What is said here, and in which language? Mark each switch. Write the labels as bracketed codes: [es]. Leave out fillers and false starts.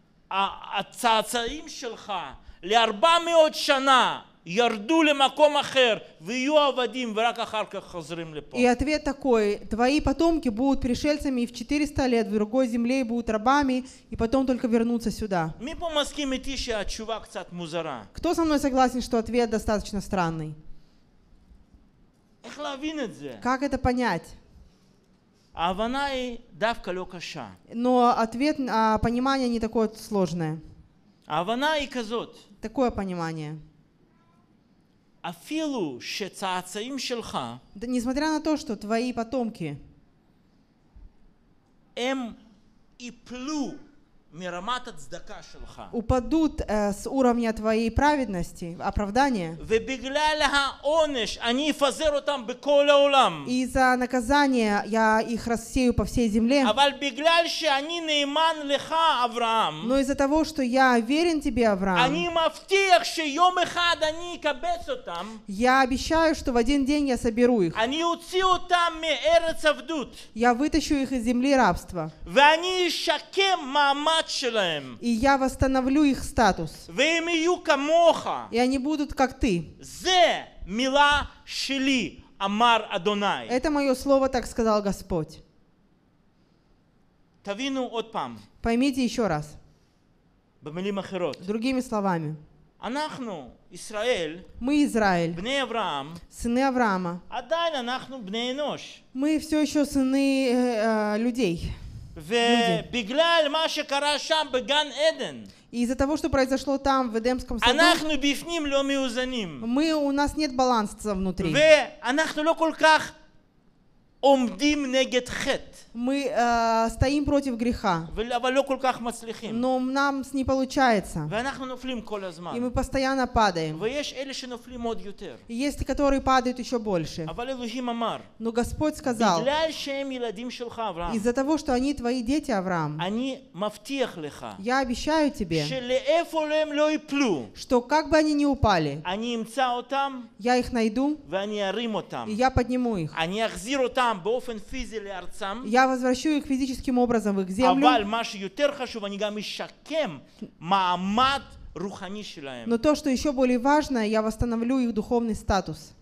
[he] הצאצאים שלך ל-400 שנה ירדו למקום אחר ויהיו עבדים ורק אחר כך חוזרים לפה. [ru] И ответ такой: твои потомки будут пришельцами в 400 лет в другой земле и будут рабами и потом только вернутся сюда. [he] מי פה מסכים איתי שהתשובה קצת מוזרה? [ru] Кто со мной согласен, что ответ достаточно странный? [he] איך להבין את זה? [ru] Как это понять? [he] ההבנה היא דווקא לא קשה. [ru] Но ответ, понимание не такое сложное. [he] ההבנה היא כזאת. [ru] Такое понимание. [he] אפילו שצאצאים שלך, [ru] да, несмотря на то, что твои потомки, [he] הם יפלו מרמת הצדקה שלך. [ru] Упадут с уровня твоей праведности, оправдания. [he] ובגלל העונש, אני אפזר אותם בכל העולם. [ru] Из-за наказания я их рассею по всей земле. [he] אבל בגלל שאני נאמן לך, אברהם. [ru] Но из-за того, что я верен тебе, Авраам. [he] אני מבטיח שיום אחד אני אקבץ אותם. [ru] Я обещаю, что в один день я соберу их. [he] אני אוציא אותם מארץ עבדות. [ru] Я вытащу их из земли рабства. [he] ואני אשקם מעמד שלהם. [ru] И я восстановлю их статус. [he] והם יהיו כמוך. [ru] И они будут как ты. [he] זה מילה שלי, אמר אדוני. [ru] Это моё слово, так сказал Господь. [he] תבינו עוד פעם. [ru] Поймите ещё раз. [he] במילים אחרות. [ru] Другими словами. [he] אנחנו ישראל, [ru] мы Израиль, [he] בני אברהם, [ru] сыны Авраама. [he] עדיין אנחנו בני אנוש. [ru] Мы всё ещё сыны людей. [he] ובגלל מה שקרה שם בגן עדן. [ru] Из-за того, что произошло там в Эдемском саду. [he] אנחנו בפנים לא מאוזנים. [ru] Мы, у нас нет баланса внутри. [he] ואנחנו לא כל כך עומדים נגד חטא. [ru] Мы стоим против греха. [he] אבל לא כל כך מצליחים. [ru] Но нам не получается. [he] ואנחנו נופלים כל הזמן. [ru] И мы постоянно падаем. [he] ויש אלה שנופלים עוד יותר. [ru] Есть, которые падают ещё больше. [he] אבל אלוהים אמר. [ru] Но Господь сказал. [he] בגלל שהם ילדים שלך, אברהם. [ru] Из-за того, что они твои дети, Авраам. [he] אני מבטיח לך. [ru] Я обещаю тебе. [he] שלאיפה להם לא יפלו. [ru] Что как бы они ни упали. [he] אני אמצא אותם. [ru] Я их найду. [he] ואני ארים אותם. [ru] И я подниму их. [he] אני אחזיר אותם באופן פיזי לארצם. [ru] Я возвращу их физическим образом в их землю. [he] אבל מה שיותר חשוב, אני גם אשקם מעמד רוחני שלהם. [ru] Но то, что ещё более важно, я восстановлю их духовный статус.